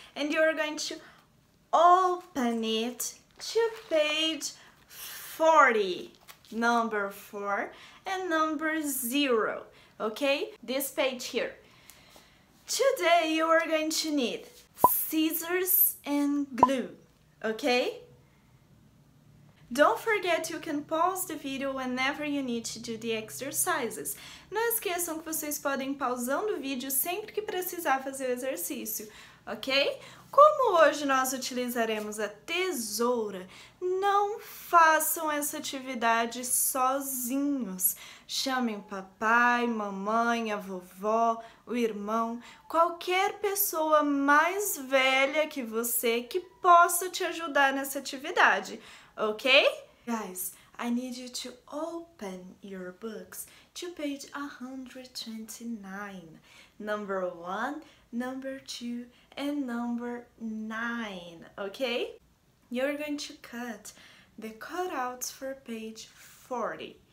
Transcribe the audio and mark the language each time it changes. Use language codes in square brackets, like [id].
[en] And you're going to open it to page 40, number 4 and number 0, okay? This page here. Today, you are going to need scissors and glue, okay? Don't forget, you can pause the video whenever you need to do the exercises. [pt] Não esqueçam que vocês podem pausando o vídeo sempre que precisar fazer o exercício, ok? Como hoje nós utilizaremos a tesoura, não façam essa atividade sozinhos. Chamem o papai, mamãe, a vovó, o irmão, qualquer pessoa mais velha que você que possa te ajudar nessa atividade. Ok? [en] Guys, I need you to open your books to page 129. Number 1, number 2, and number 9. Ok? You're going to cut the cutouts for page 40.